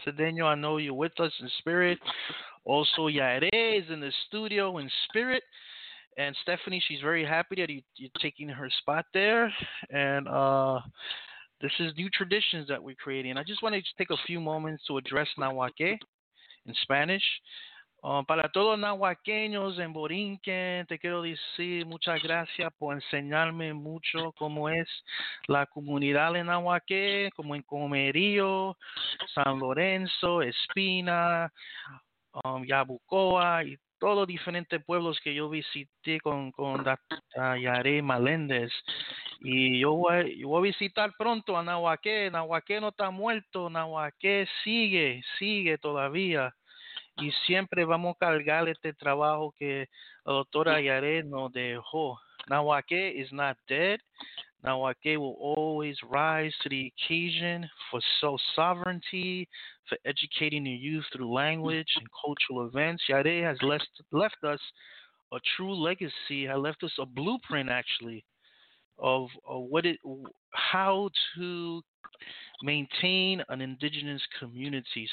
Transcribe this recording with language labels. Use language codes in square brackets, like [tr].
[en] Sedeno, I know you're with us in spirit. Also, Yare is in the studio in spirit. And Stephanie, she's very happy that you're taking her spot there. And this is new traditions that we're creating. I just wanted to take a few moments to address Nahuake in Spanish. [es] Para todos nahuaqueños en Borinquen, te quiero decir muchas gracias por enseñarme mucho cómo es la comunidad en Nahuaque, como en Comerío, San Lorenzo, Espina, Yabucoa y todos los diferentes pueblos que yo visité con Yare Maléndez. Y yo voy a visitar pronto a Nahuaque. Nahuaque no está muerto, Nahuaque sigue todavía. Y siempre vamos a cargar este trabajo que la doctora Yare nos dejó. [en] Nahuaque is not dead. Nahuaque will always rise to the occasion for self-sovereignty, for educating the youth through language and cultural events. Yare has left us a true legacy, has left us a blueprint, actually, how to maintain an indigenous community.